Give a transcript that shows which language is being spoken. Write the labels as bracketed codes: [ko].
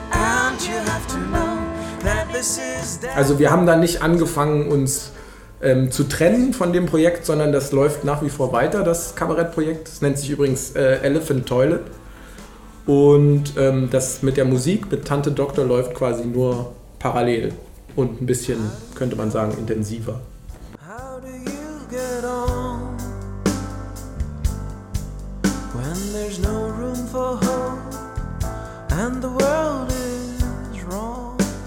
[en] and you have to know that this is Death. [de] Also wir haben da nicht angefangen, uns zu trennen von dem Projekt, sondern das läuft nach wie vor weiter, das Kabarettprojekt. Das nennt sich übrigens Elephant Toilet. Und das mit der Musik, mit Tante Doktor, läuft quasi nur parallel und ein bisschen, könnte man sagen, intensiver. [en] How do you get on when there's no room for hope and the world is wrong?